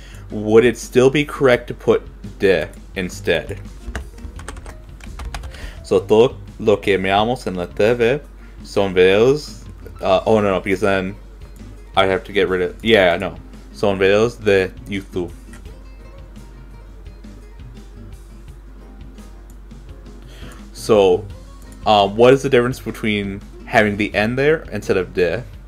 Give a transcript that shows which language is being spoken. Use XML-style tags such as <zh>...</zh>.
<en>Would it still be correct to put D instead?</en> <es>So todo lo que miramos en la TV son videos.</es> <en>Oh no, no, because then I have to get rid of. Yeah, no,</en> <es>son videos de YouTube.</es> <en>So, what is the difference between having the N there instead of de?</en>